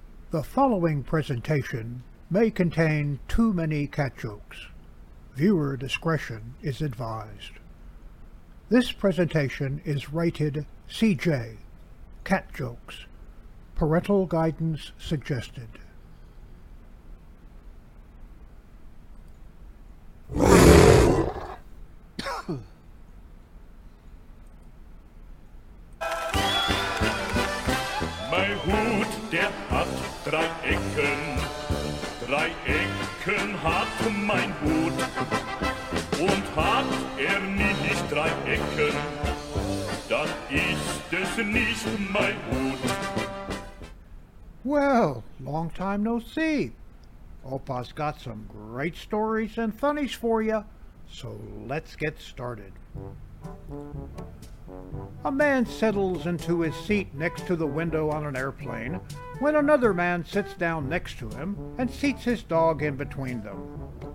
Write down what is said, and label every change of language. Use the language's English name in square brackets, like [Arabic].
[English] The following presentation may contain too many cat jokes. Viewer discretion is advised. This presentation is rated CJ, Cat Jokes, Parental Guidance Suggested. [German] My hood, der hat drei Ecken. Drei Ecken hat mein Hut. Und hat nicht drei Ecken, dann ist es nicht mein Hut. [English] Well, long time no see. Opa's got some great stories and funnies for you, so let's get started. A man settles into his seat next to the window on an airplane when another man sits down next to him and seats his dog in between them.